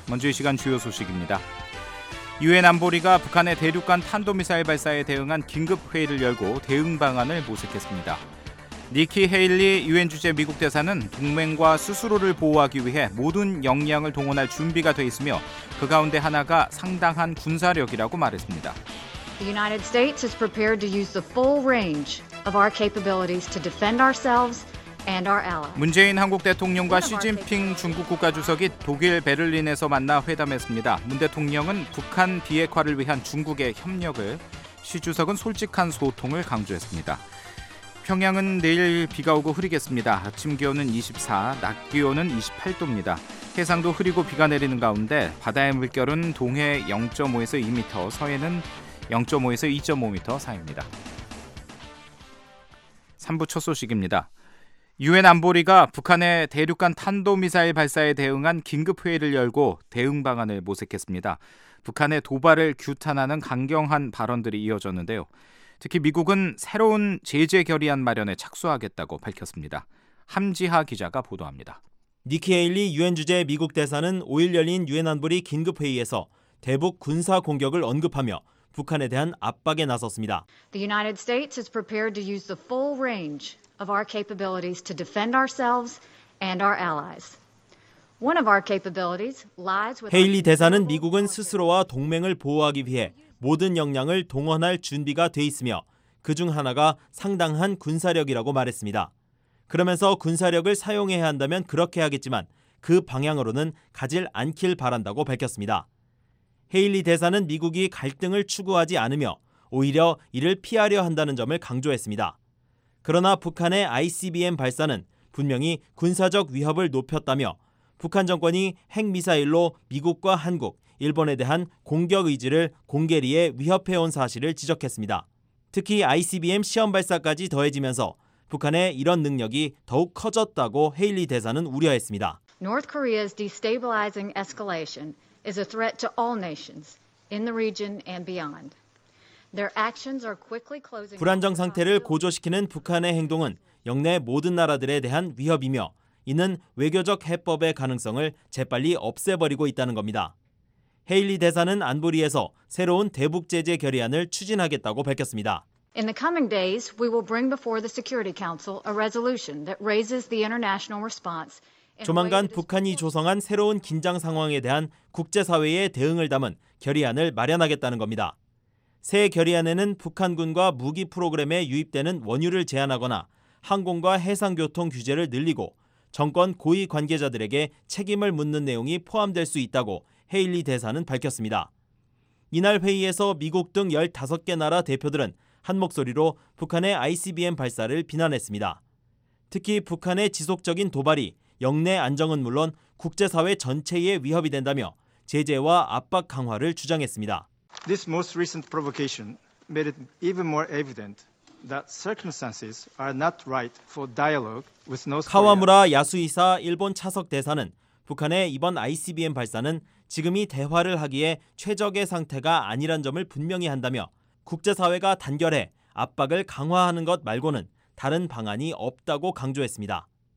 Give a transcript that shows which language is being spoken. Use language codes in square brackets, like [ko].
[ko] 먼저 이 시간 주요 소식입니다. 유엔 안보리가 북한의 대륙간 탄도미사일 발사에 대응한 긴급회의를 열고 대응 방안을 모색했습니다. 니키 헤일리 유엔 주재 미국 대사는 동맹과 스스로를 보호하기 위해 모든 역량을 동원할 준비가 돼 있으며 그 가운데 하나가 상당한 군사력이라고 말했습니다. [en] The United States is prepared to use the full range of our capabilities to defend ourselves and our allies. [ko] 문재인 한국 대통령과 시진핑 중국 국가주석이 독일 베를린에서 만나 회담했습니다. 문 대통령은 북한 비핵화를 위한 중국의 협력을, 시 주석은 솔직한 소통을 강조했습니다. 평양은 내일 비가 오고 흐리겠습니다. 아침 기온은 24, 낮 기온은 28도입니다. 해상도 흐리고 비가 내리는 가운데 바다의 물결은 동해 0.5에서 2m, 서해는 0.5에서 2.5m 사이입니다. 3부 첫 소식입니다. 유엔 안보리가 북한의 대륙간 탄도미사일 발사에 대응한 긴급회의를 열고 대응 방안을 모색했습니다. 북한의 도발을 규탄하는 강경한 발언들이 이어졌는데요. 특히 미국은 새로운 제재 결의안 마련에 착수하겠다고 밝혔습니다. 함지하 기자가 보도합니다. 니키 헤일리 유엔 주재 미국 대사는 5일 열린 유엔 안보리 긴급회의에서 대북 군사 공격을 언급하며 북한에 대한 압박에 나섰습니다. [en] The United States is prepared to use the full range of our capabilities to defend ourselves and our allies. One of our capabilities lies with [ko] 헤일리 대사는 미국은 스스로와 동맹을 보호하기 위해 모든 역량을 동원할 준비가 돼 있으며 그중 하나가 상당한 군사력이라고 말했습니다. 그러면서 군사력을 사용해야 한다면 그렇게 하겠지만 그 방향으로는 가질 않길 바란다고 밝혔습니다. 헤일리 대사는 미국이 갈등을 추구하지 않으며 오히려 이를 피하려 한다는 점을 강조했습니다. 그러나 북한의 ICBM 발사는 분명히 군사적 위협을 높였다며 북한 정권이 핵미사일로 미국과 한국, 일본에 대한 공격 의지를 공개리에 위협해온 사실을 지적했습니다. 특히 ICBM 시험 발사까지 더해지면서 북한의 이런 능력이 더욱 커졌다고 헤일리 대사는 우려했습니다. [en] North Korea's destabilizing escalation is a threat to all nations in the region and beyond. Their actions are quickly closing. [ko] 불안정 상태를 고조시키는 북한의 행동은 역내 모든 나라들에 대한 위협이며 이는 외교적 해법의 가능성을 재빨리 없애버리고 있다는 겁니다. 헤일리 대사는 안보리에서 새로운 대북 제재 결의안을 추진하겠다고 밝혔습니다. [en] In the coming days, we will bring before the Security Council a resolution that raises the international response. [ko] 조만간 북한이 조성한 새로운 긴장 상황에 대한 국제사회의 대응을 담은 결의안을 마련하겠다는 겁니다. 새 결의안에는 북한군과 무기 프로그램에 유입되는 원유를 제한하거나 항공과 해상교통 규제를 늘리고 정권 고위 관계자들에게 책임을 묻는 내용이 포함될 수 있다고 헤일리 대사는 밝혔습니다. 이날 회의에서 미국 등 15개 나라 대표들은 한 목소리로 북한의 ICBM 발사를 비난했습니다. 특히 북한의 지속적인 도발이 역내 안정은 물론 국제사회 전체에 위협이 된다며 제재와 압박 강화를 주장했습니다. [en] This most recent provocation made it even more evident that circumstances are not right for dialogue with North Korea. [ko] 카와무라 야수이사 일본 차석 대사는 북한의 이번 ICBM 발사는 지금이 대화를 하기에 최적의 상태가 아니란 점을 분명히 한다며 국제사회가 단결해 압박을 강화하는 것 말고는 다른 방안이 없다고 강조했습니다.